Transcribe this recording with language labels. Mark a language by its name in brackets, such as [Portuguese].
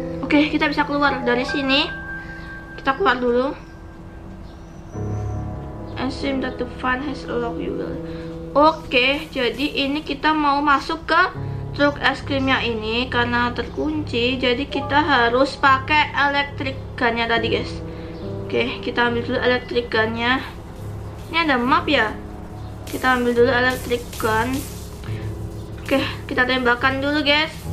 [Indonesian] Oke, kita bisa keluar dari sini. Kita keluar dulu. [English] Assume that the fan has locked you. [Indonesian] Oke, jadi ini kita mau masuk ke truk es krimnya ini karena terkunci. Jadi kita harus pakai electric gunnya tadi, guys. Oke, kita ambil dulu electric gunnya. Ini ada map ya. Kita ambil dulu electric gun. Oke, kita tembakan dulu, guys.